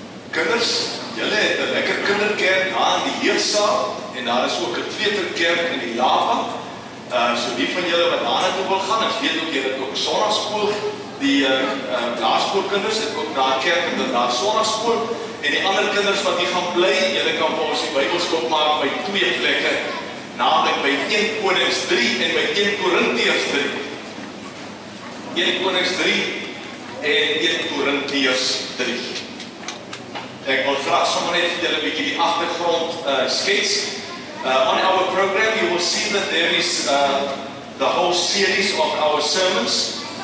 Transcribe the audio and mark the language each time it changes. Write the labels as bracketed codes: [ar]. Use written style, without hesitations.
[af] Kinders, julle het 'n lekker kinderkerk daar in die heersaal en daar is ook 'n kleuterkerk in die lava. So wie van julle wat daar naartoe wil gaan, ek weet ook julle het ook sonnaskool. Die laerskoolkinders het ook daar kerk en dan daar sonnaskool. En die ander kinders wat hier gaan bly, julle kan vir ons die Bybelskop maak by twee plekke. Naamlik by 1 Konings 3 en by 1 Korintiërs 3. 1 Konings 3 en 1 Korintiërs 3. Ek wil graag sommer net vir julle 'n bietjie die agtergrond skets. [en] On our program you will see that there is the whole series of our sermons.